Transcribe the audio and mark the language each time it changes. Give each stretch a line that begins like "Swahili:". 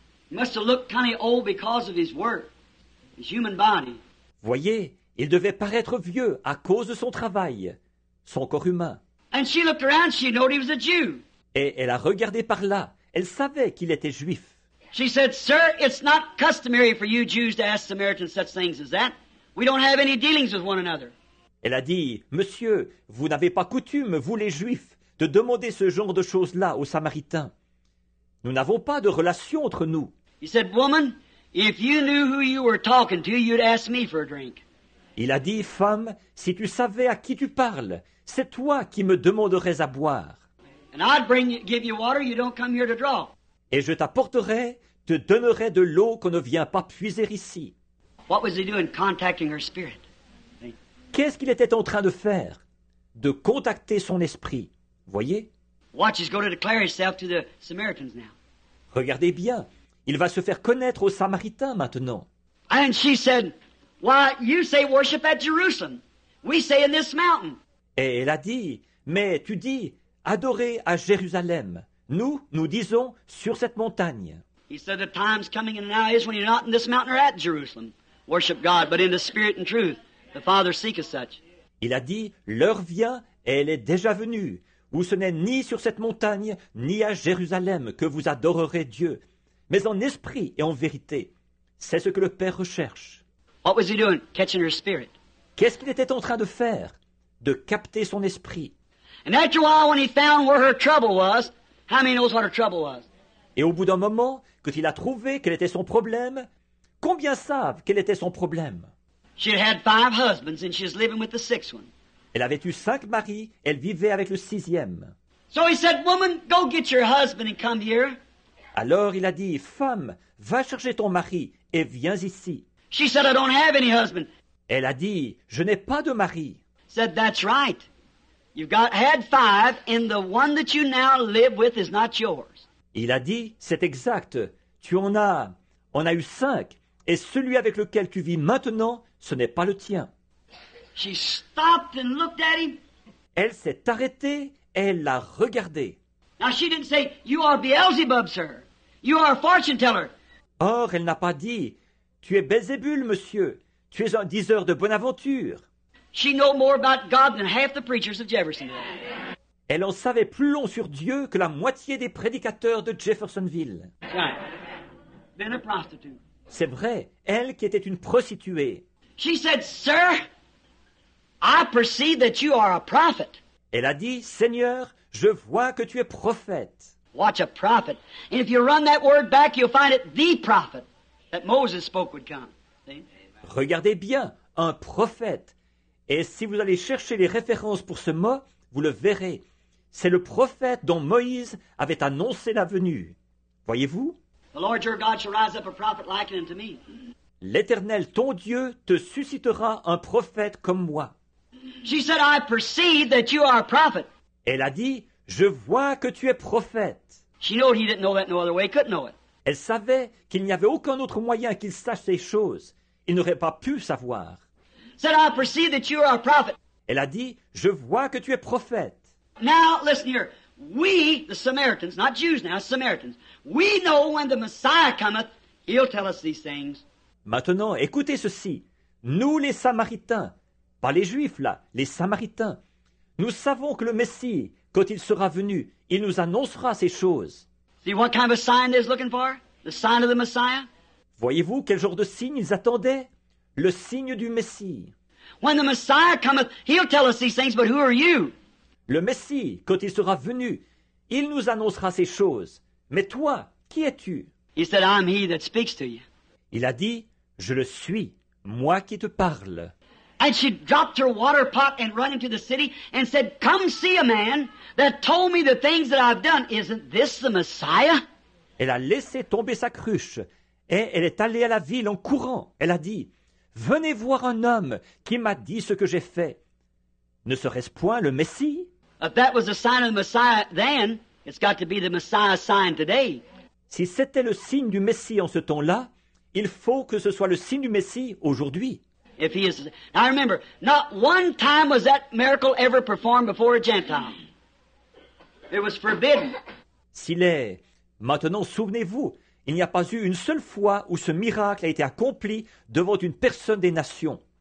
English: He must have looked kind of old because of his work, his human body.
French: Voyez, il devait paraître vieux à cause de son travail, son corps humain.
English: And she looked around, she knew he was a Jew.
French: Et elle a regardé par là, elle savait qu'il était juif.
English: She said, sir, it's not customary for you Jews to ask Samaritans such things as that. We don't have any dealings with one another.
French: Elle a dit, monsieur, vous n'avez pas coutume, vous les juifs, de demander ce genre de choses-là aux Samaritains. Nous n'avons pas de relation entre nous.
English: He said, woman, if you knew who you were talking to, you'd ask me for a drink.
French: Il a dit, femme, si tu savais à qui tu parles, c'est toi qui me demanderais à boire.
English: And I'd bring you, give you water, you don't come here to draw.
French: Et je t'apporterai, te donnerai de l'eau qu'on ne vient pas puiser ici.
English: What was he doing contacting her spirit?
French: Qu'est-ce qu'il était en train de faire? De contacter son esprit, voyez?
English: Watch, he's going to declare himself to the Samaritans now.
French: Regardez bien, il va se faire connaître aux Samaritains maintenant.
English: And she said, why, you say worship at Jerusalem. We say in this mountain.
French: Et elle a dit, mais tu dis, adorer à Jérusalem. Nous, nous disons, sur cette montagne.
English: He said, the time's coming and now is when you're not in this mountain or at Jerusalem. Worship God, but in the spirit and truth. The Father seeketh such.
French: Il a dit, l'heure vient et elle est déjà venue, où ce n'est ni sur cette montagne, ni à Jérusalem que vous adorerez Dieu, mais en esprit et en vérité. C'est ce que le Père recherche.
English: What was he doing? Catching her spirit.
French: Qu'est-ce qu'il était en train de faire? De capter son esprit.
English: And after a while, when he found where her trouble was, how many knows what her trouble was?
French: Et au bout d'un moment, quand il a trouvé quel était son problème, combien savent quel était son problème?
English: She had five husbands and she was living with the sixth one.
French: Elle avait eu cinq maris, elle vivait avec le sixième.
English: So he said, woman, go get your husband and come here.
French: Alors il a dit, femme, va chercher ton mari et viens ici.
English: She said, I don't have any husband.
French: Elle a dit, je n'ai pas de mari.
English: Said, that's right. You've got had five, and the one that you now live with is not yours.
French: Il a dit, c'est exact. Tu en as. On a eu cinq, et celui avec lequel tu vis maintenant, ce n'est pas le tien.
English: She stopped and looked at him.
French: Elle s'est arrêtée et elle l'a regardé.
English: Now she didn't say, you are Beelzebub, sir. You are a fortune teller.
French: Or, elle n'a pas dit, tu es Belzébul, monsieur. Tu es un diseur de bonne aventure.
English: She know more about God than half the preachers of Jeffersonville.
French: Elle en savait plus long sur Dieu que la moitié des prédicateurs de Jeffersonville.
English: Right. Been a prostitute.
French: C'est vrai, elle qui était une prostituée.
English: She said, sir, I perceive that you are a prophet.
French: Elle a dit, Seigneur, je vois que tu es prophète.
English: Watch a prophet. And if you run that word back, you'll find it the prophet that Moses spoke would come.
French: Regardez bien, un prophète. Et si vous allez chercher les références pour ce mot, vous le verrez. C'est le prophète dont Moïse avait annoncé la venue. Voyez-vous?
English: The Lord your God shall rise up a prophet like unto me.
French: L'Éternel, ton Dieu, te suscitera un prophète comme moi.
English: She said, I perceive that you are a prophet.
French: Elle a dit, je vois que tu es prophète.
English: She knew he didn't know that no other way, couldn't know it.
French: Elle savait qu'il n'y avait aucun autre moyen qu'il sache ces choses. Il n'aurait pas pu savoir.
English: Said, I perceive that you are a prophet.
French: Elle a dit, je vois que tu es prophète.
English: Now, listen here. We, the Samaritans, not Jews now, Samaritans, we know when the Messiah cometh, he'll tell us these things.
French: Maintenant, écoutez ceci. Nous, les Samaritains, pas les Juifs là, les Samaritains. Nous savons que le Messie, quand il sera venu, il nous annoncera ces choses.
English: See what kind of a sign they're looking for? The sign of the Messiah?
French: Voyez-vous quel genre de signe ils attendaient? Le signe du Messie.
English: When the Messiah cometh, he'll tell us these things, but who are you?
French: Le Messie, quand il sera venu, il nous annoncera ces choses. Mais toi, qui es-tu?
English: He said, I'm he that speaks to you.
French: Il a dit, je le suis, moi qui te parle.
English: And she dropped her water pot and ran into the city and said, come see a man that told me the things that I've done. Isn't this the Messiah?
French: Elle a laissé tomber sa cruche et elle est allée à la ville en courant. Elle a dit, venez voir un homme qui m'a dit ce que j'ai fait. Ne serait-ce point le Messie?
English: If that was a sign of the Messiah then, it's got to be the Messiah sign today.
French: Si c'était le signe du Messie en ce temps-là, il faut que ce soit le signe du Messie aujourd'hui.
English: If he is, I remember, not one time was that miracle ever performed before a Gentile. It was forbidden.
French: S'il est, maintenant souvenez-vous, il n'y a pas eu une seule fois où ce miracle a été accompli devant une personne des nations.